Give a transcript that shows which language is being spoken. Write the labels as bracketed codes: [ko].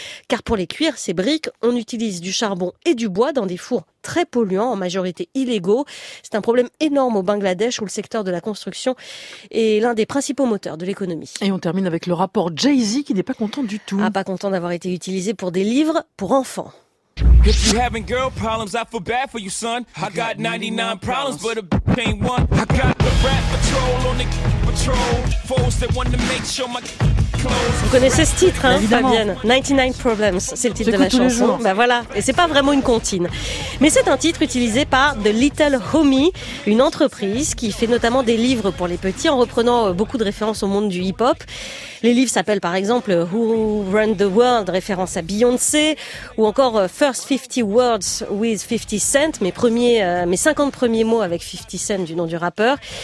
[fr] Car pour les cuire, ces briques, on utilise du charbon et du bois dans des fours très polluants, en majorité illégaux. C'est un problème énorme au Bangladesh, où le secteur de la construction est l'un des principaux moteurs de l'économie. Et on termine avec le rapport Jay-Z, qui n'est pas content du tout. Ah, pas content d'avoir été utilisé pour des livres pour enfants. [en] If you having girl problems, I feel bad for you, son. I got 99 problems, but a b**ch ain't one. I got the rap patrol on the patrol. Foes that want to make sure my... [fr] Vous connaissez ce titre, hein, Fabienne? 99 Problems, c'est le titre J'écoute de la chanson. Ben voilà, et c'est pas vraiment une comptine. Mais c'est un titre utilisé par The Little Homie, une entreprise qui fait notamment des livres pour les petits en reprenant beaucoup de références au monde du hip-hop. Les livres s'appellent par exemple Who Run the World, référence à Beyoncé, ou encore First 50 Words with 50 Cent, mes 50 premiers mots avec 50 Cent du nom du rappeur.